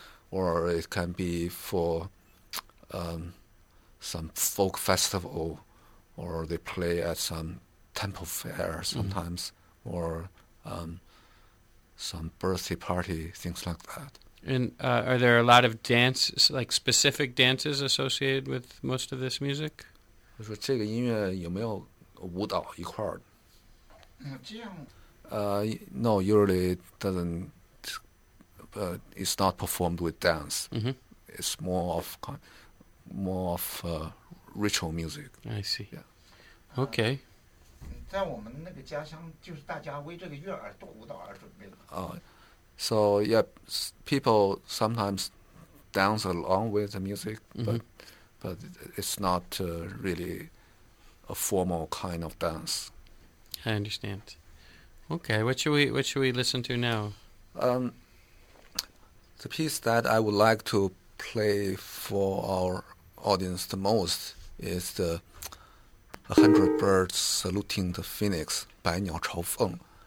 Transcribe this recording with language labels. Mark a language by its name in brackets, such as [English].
[English] Or it can be for some folk festival, or they play at some temple fair sometimes, or some birthday party, things like that. And are there a lot of dances, like specific dances associated with most of this music? [Chinese] 我说这个音乐有没有舞蹈一块儿？嗯，这样。 [English] No, usually doesn't. It's not performed with dance. Mm-hmm. It's more of ritual music. I see. Yeah. Okay. [Chinese] 在我们那个家乡，就是大家为这个月儿做舞蹈而准备的。 [English] So, yeah, people sometimes dance along with the music, but it's not really a formal kind of dance. I understand. Okay, what should we listen to now? The piece that I would like to play for our audience the most is the 100 Birds Saluting the Phoenix, 百鸟朝凤.